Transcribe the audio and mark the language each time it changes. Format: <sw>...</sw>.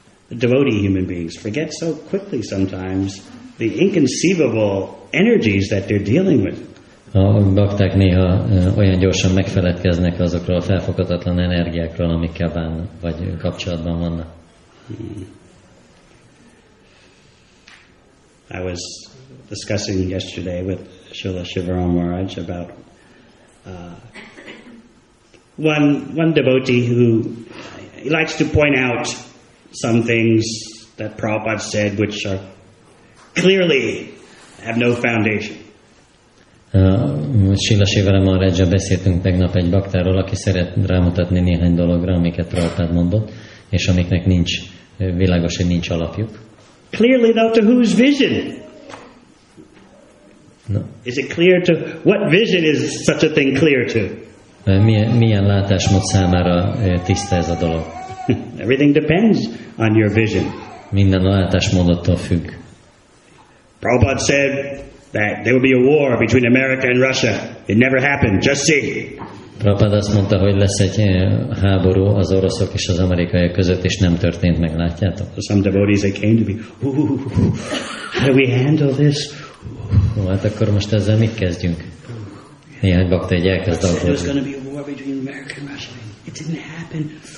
<en>Devotee human beings forget so quickly sometimes the inconceivable energies that they're dealing with.</en> <hu>A bakták néha olyan gyorsan megfeledkeznek azokról a felfoghatatlan energiákról, amikkel bánnak, vagy kapcsolatban vannak.</hu> <en>I was discussing yesterday with Srila Shivaram Maharaj about one devotee who he likes to point out some things that Prabhupada said which are clearly have no foundation.</en> <hu>Sheila Shivaramon Regya beszéltünk tegnap egy baktáról, aki szeret rámutatni néhány dologra, amiket Prabhupád mondott, és amiknek nincs világos, hogy nincs alapjuk.</hu> <en>Clearly though, to whose vision? No. Is it clear to what vision is such a thing clear to?</en> <hu>Milyen látásmód számára tiszta ez a dolog?</hu> <en>Everything depends on your vision.</en> <hu>Minden látásmódottól függ.</hu> <en>Prabhupada said that there will be a war between America and Russia. It never happened. Just see.</en> <hu>Prabhupada azt mondta, hogy lesz egy háború az oroszok és az amerikaiak között, és nem történt meg, látjátok?</hu> <en>Some devotees, they came to me. How do we handle this?</en> <hu>Jó, hát akkor most ezzel mit kezdjünk? Néhány bakta egy elkezd aggódni.</hu> <en>There was going to be a war between America and Russia. It didn't happen.</en>